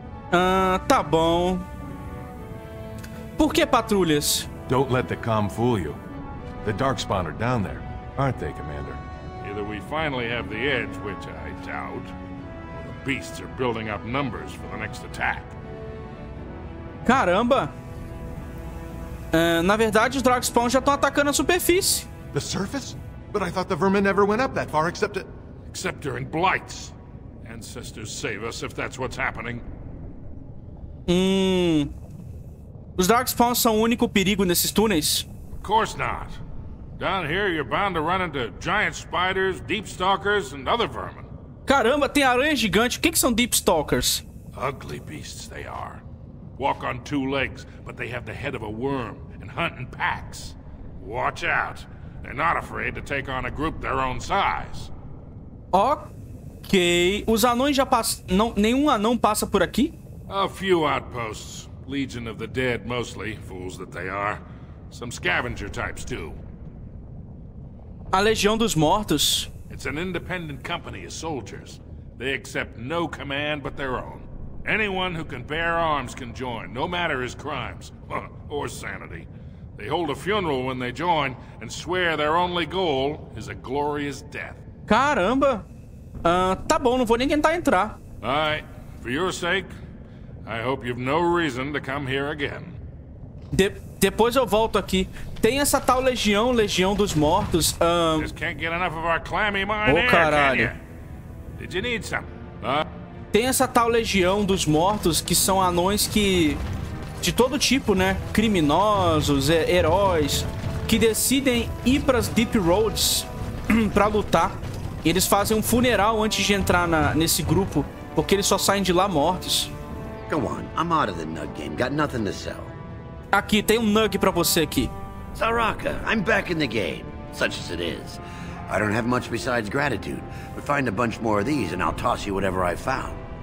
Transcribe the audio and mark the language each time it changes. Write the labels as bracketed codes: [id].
[pt] Tá bom. Por que patrulhas? [en] Don't let the comm fool you. The Darkspawn are down there, aren't they, Commander? Either we finally have the edge, which I doubt, or the beasts are building up numbers for the next attack. [pt] Caramba! Na verdade, os Darkspawn já estão atacando a superfície. [en] The surface? But I thought the vermin never went up that far, except it... except during blights. Ancestors save us if that's what's happening. [pt] Os Darkspawn são o único perigo nesses túneis? [en] Of course not. Down here, you're bound to run into giant spiders, deep stalkers, and other vermin. [pt] Caramba, tem aranha gigante. O que são deep stalkers? [en] Ugly beasts they are. Walk on two legs, but they have the head of a worm and hunt in packs. Watch out. They're not afraid to take on a group their own size. [pt] Ok. Os anões já passam... Não, nenhum anão passa por aqui? [en] A few outposts. Legion of the Dead, mostly. Fools that they are. Some scavenger types, too. [pt] A Legião dos Mortos? [en] It's an independent company of soldiers. They accept no command but their own. Anyone who can bear arms can join, no matter his crimes or sanity. They hold a funeral when they join and swear their only goal is a glorious death. [pt] Caramba! Tá bom, não vou nem tentar entrar. [en] I, for your sake, I hope you've no reason to come here again. [pt] Depois eu volto aqui. Tem essa tal legião, Legião dos Mortos. [en] Just can't get enough of our clammy mind. Oh, [pt] caralho. [en] Did you need some? [pt] Tem essa tal legião dos mortos que são anões que... De todo tipo, né? Criminosos, heróis... Que decidem ir pras Deep Roads pra lutar. Eles fazem um funeral antes de entrar nesse grupo. Porque eles só saem de lá mortos. [en] Come on, I'm out of the nug game. Got nothing to sell. [pt] Aqui, tem um nug pra você aqui. [en] Saraka, I'm back in the game. Such as it is. I don't have much besides gratitude. But find a bunch more of these and I'll toss you whatever I found.